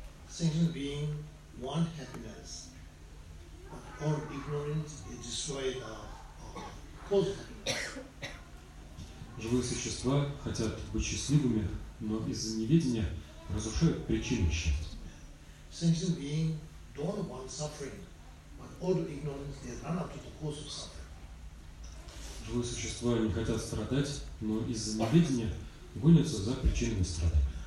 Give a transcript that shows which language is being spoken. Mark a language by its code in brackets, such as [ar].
[en] Sentient being want happiness, but all ignorance is destroyed of cause of happiness. [ru] Живые существа хотят быть счастливыми, но из-за неведения разрушают причины счастья. [en] Sentient being don't want suffering, but all ignorance they run up to the cause of suffering. [ru] Живые существа не хотят страдать, но из-за неведения гонятся за причинами страдать.